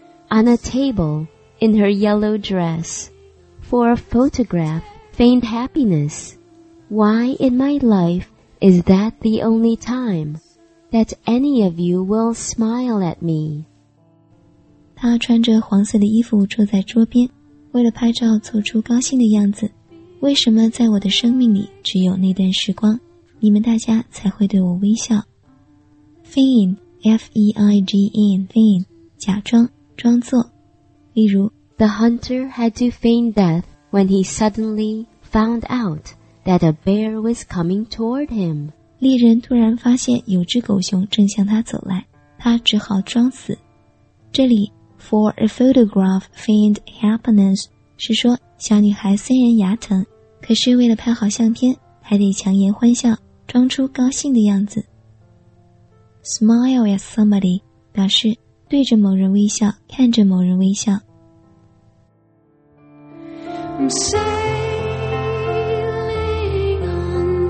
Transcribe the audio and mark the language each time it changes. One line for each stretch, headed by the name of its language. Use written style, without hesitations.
English: On a table, in her yellow dress, for a photograph, feigned happiness. Why in my life is that the only time that any of you will smile at me?
Chinese: 她穿着黄色的衣服坐在桌边，为了拍照做出高兴的样子。为什么在我的生命里只有那段时光，你们大家才会对我微笑？
English: Feign, F-E-I-G-N, feign, 假装。
Chinese: 装作，例如
English: The hunter had to feign death when he suddenly found out that a bear was coming toward him.
Chinese: 猎人突然发现有只狗熊正向他走来，他只好装死。这里
English: For a photograph feigned happiness
Chinese: 是说小女孩虽然牙疼，可是为了拍好相片，还得强颜欢笑，装出高兴的样子。
English: Smile at somebody
Chinese: 表示对着某人微笑，看着某人微笑。
English: I'm sailing on this terrible ocean.